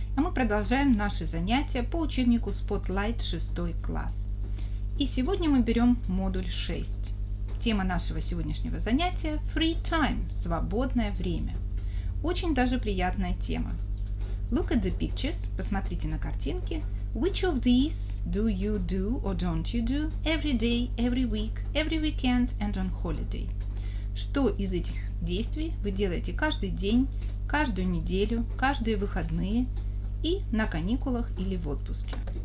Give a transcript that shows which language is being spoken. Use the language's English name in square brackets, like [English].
[Russian] А мы продолжаем наши занятия по учебнику Spotlight 6 класс. И сегодня мы берем модуль 6. Тема нашего сегодняшнего занятия – Free Time – свободное время. Очень даже приятная тема. [English] Look at the pictures – [Russian] посмотрите на картинки. [English] Which of these do you do or don't you do every day, every week, every weekend and on holiday? [Russian] Что из этих действий вы делаете каждый день, каждую неделю, каждые выходные и на каникулах или в отпуске?